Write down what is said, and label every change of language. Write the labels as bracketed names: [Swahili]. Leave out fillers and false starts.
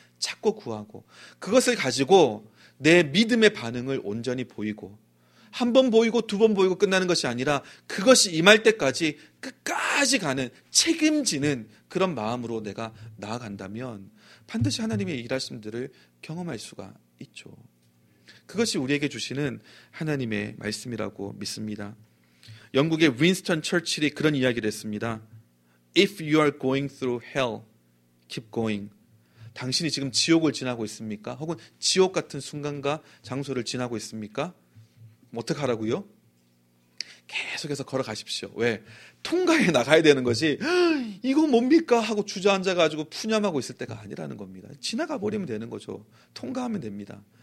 [Korean] 찾고 구하고 그것을 가지고 내 믿음의 반응을 온전히 보이고, 한 번 보이고 두 번 보이고 끝나는 것이 아니라 그것이 임할 때까지 끝까지 가는, 책임지는 그런 마음으로 내가 나아간다면 반드시 하나님의 일하심들을 경험할 수가 있죠. 그것이 우리에게 주시는 하나님의 말씀이라고 믿습니다. 영국의 윈스턴 처칠이 그런 이야기를 했습니다. [English] If you are going through hell, keep going. [Korean] 당신이 지금 지옥을 지나고 있습니까? 혹은 지옥 같은 순간과 장소를 지나고 있습니까? 어떡하라고요? 계속해서 걸어가십시오. 왜? 통과해 나가야 되는 것이, 이거 뭡니까? 하고 주저앉아가지고 푸념하고 있을 때가 아니라는 겁니다. 지나가 버리면 되는 거죠. 통과하면 됩니다.